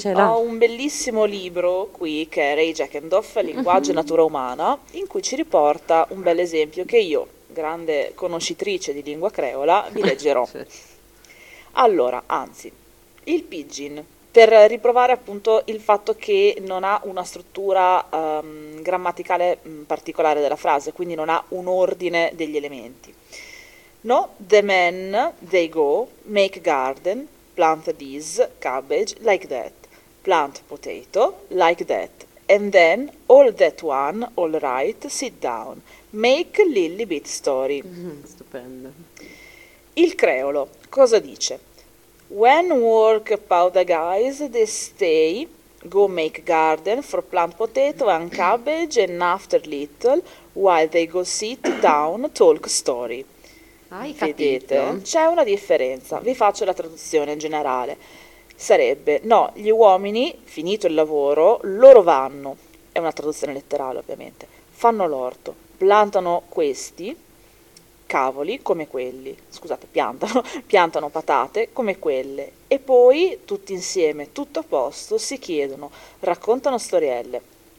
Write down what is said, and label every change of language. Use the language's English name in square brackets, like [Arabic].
[Italian] Ho un bellissimo libro qui, che è Ray Jackendoff, Linguaggio e Natura Umana, in cui ci riporta un bel esempio che io, grande conoscitrice di lingua creola, vi leggerò. Allora, anzi, il pidgin, per riprovare appunto il fatto che non ha una struttura grammaticale particolare della frase, quindi non ha un ordine degli elementi. [English] No, the men, they go, make garden, plant these, cabbage, like that, plant potato, like that, and then all that one, all right, sit down, make lily bit story. [Italian] Stupendo. Il creolo cosa dice? [English] When work powder guys, they stay, go make garden for plant potato and cabbage and after little, while they go sit down, talk story. [Italian] Hai Vedete? Capito? C'è una differenza. Vi faccio la traduzione in generale. Sarebbe, no, gli uomini, finito il lavoro, loro vanno, è una traduzione letterale ovviamente, fanno l'orto, plantano questi cavoli come quelli, scusate, piantano patate come quelle, e poi tutti insieme, tutto a posto, si chiedono, raccontano storielle.